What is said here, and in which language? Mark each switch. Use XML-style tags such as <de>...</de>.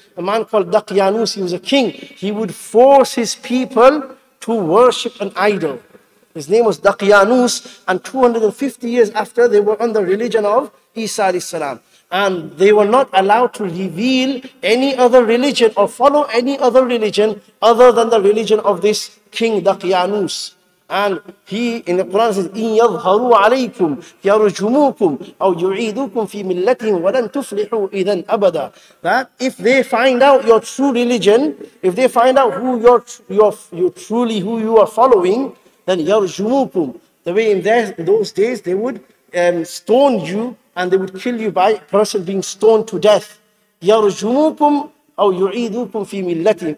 <en>A man called Daqyanus, he was a king. He would force his people to worship an idol. His name was Daqyanus, and 250 years after, they were on the religion of Isa alayhi salam. And they were not allowed to reveal any other religion or follow any other religion other than the religion of this king Daqyanus. And he in the Quran says,</en> <ar>إِن يَظْهَرُوا عَلَيْكُمْ يَرْجُمُوكُمْ أَوْ يُعِيدُوكُمْ فِي مِلَّتِهِمْ وَلَنْ تُفْلِحُوا إِذًا أَبَدًا.</ar> <en>That if they find out your true religion, if they find out who you're truly who you are following, then يَرْجُمُوكُمْ. The way in those days they would stone you, and they would kill you by a person being stoned to death.</en> <ar>يَرْجُمُوكُمْ أَوْ يُعِيدُوكُمْ فِي مِلَّتِهِمْ.</ar>